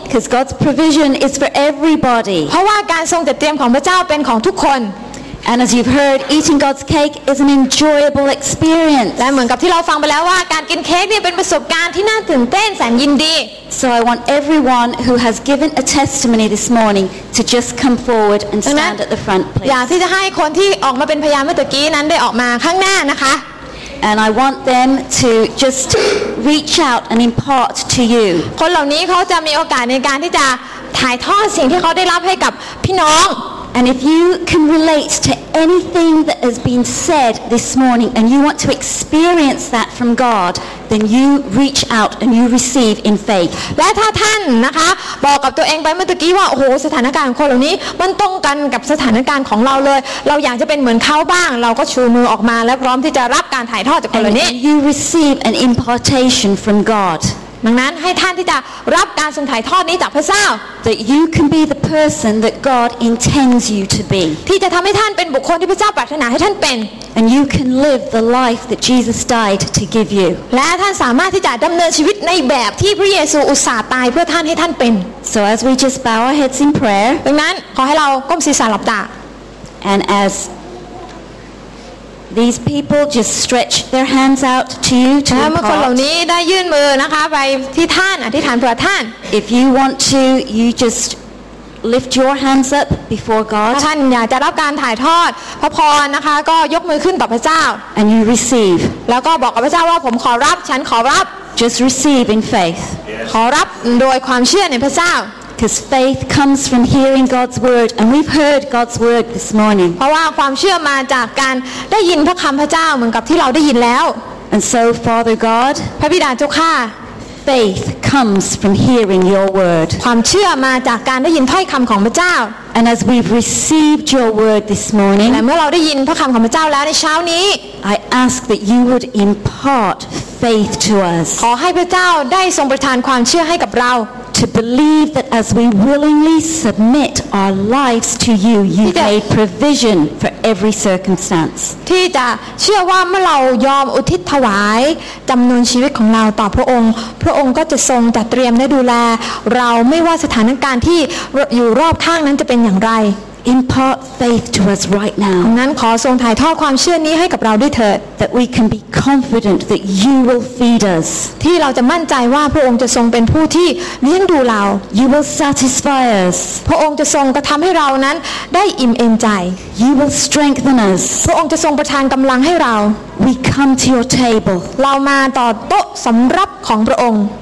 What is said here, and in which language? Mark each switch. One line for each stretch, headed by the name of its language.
English: Because God's provision is for everybody.
Thai: เพราะว่าการทรงจัดเตรียมของพระเจ้าเป็นของทุกคน
English: And as you've heard, eating God's cake is an enjoyable experience.
Thai: และเหมือนกับที่เราฟังไปแล้วว่าการกินเค้กเนี่ยเป็นประสบการณ์ที่น่าตื่นเต้นแสนยินดี
English: So I want everyone who has given a testimony this morning to just come forward and stand at the front, please.
Thai: อยากที่จะให้คนที่ออกมาเป็นพยานเมื่อกี้นั้นได้ออกมาข้างหน้านะคะ
English: And I want them to just reach out and impart to you.
Thai: คนเหล่านี้เขาจะมีโอกาสในการที่จะถ่ายทอดสิ่งที่เขาได้รับให้กับพี่น้อง
English: And if you can relate to anything that has been said this morning and you want to experience that from God, then you reach out and you receive in faith.
Thai: และถ้าท่านนะคะบอกกับตัวเองไปเมื่อกี้ว่าโอ้โหสถานการณ์คนเหล่านี้มันตรงกันกับสถานการณ์ของเราเลยเราอยากจะเป็นเหมือนเขาบ้างเราก็ชูมือออกมาและพร้อมที่จะรับการถ่ายทอดจากคนเหล่านี้
English: You receive an impartation from God.
Thai: ดังนั้นให้ท่านที่จะรับการทรงถ่ายทอดนี้จากพระเจ้า
English: That you can be the person that God intends you to be
Thai: ที่จะทำให้ท่านเป็นบุคคลที่พระเจ้าปรารถนาให้ท่านเป็น
English: And you can live the life that Jesus died to give you
Thai: และท่านสามารถที่จะดำเนินชีวิตในแบบที่พระเยซูอุตส่าห์ตายเพื่อท่านให้ท่านเป็น
English: So as we just bow our heads in prayer
Thai: ดังนั้นขอให้เราก้มศีรษะหลับตา
English: And asThese people just stretch their hands out to you to impart.
Thai: และเมื่อคนเหล่านี้ได้ยื่นมือนะคะไปที่ท่านอธิษฐานเพื่อท่าน
English: If you want to, you just lift your hands up before God.
Thai: ท่านอยากจะรับการถ่ายทอดพระพรนะคะก็ยกมือขึ้นต่อพระเจ้า
English: And you receive.
Thai: แล้วก็บอกกับพระเจ้าว่าผมขอรับฉันขอรับ
English: Just receive in faith.
Thai: ขอรับโดยความเชื่อในพระเจ้า
English: Because faith comes from hearing God's word, and we've heard God's word this morning.
Thai: เพราะว่าความเชื่อมาจากการได้ยินพระคำพระเจ้าเหมือนกับที่เราได้ยินแล้ว
English: And so, Father God,
Thai: พระบิดาเจ้าข้า
English: faith comes from hearing Your word.
Thai: ความเชื่อมาจากการได้ยินถ้อยคำของพระเจ้า
English: And as we've received Your word this morning,
Thai: และเมื่อเราได้ยินพระคำของพระเจ้าแล้วในเช้านี้
English: I ask that You would impart faith to us.
Thai: ขอให้พระเจ้าได้ทรงประทานความเชื่อให้กับเรา
English: To believe that as we willingly submit our lives to you, you made provision for every circumstance.
Thai: ที่จะเชื่อว่าเมื่อเรายอมอุทิศถวายจำนวนชีวิตของเราต่อพระองค์พระองค์ก็จะทรงจัดเตรียมและดูแลเราไม่ว่าสถานการณ์ที่อยู่รอบข้างนั้นจะเป็นอย่างไร
English: Impart faith to us right now.
Thai: งั้นขอทรงถ่ายทอดความเชื่อนี้ให้กับเราด้วยเถิด
English: That we can be confident that you will feed us.
Thai: ที่เราจะมั่นใจว่าพระองค์จะทรงเป็นผู้ที่เลี้ยงดูเรา
English: You will satisfy us.
Thai: พระองค์จะทรงกระทำให้เรานั้นได้อิ่มเอมใจ
English: You will strengthen us.
Thai: พระองค์จะทรงประทานกำลังให้เรา
English: We come to your table.
Thai: เรามาต่อโต๊ะสำรับของพระองค์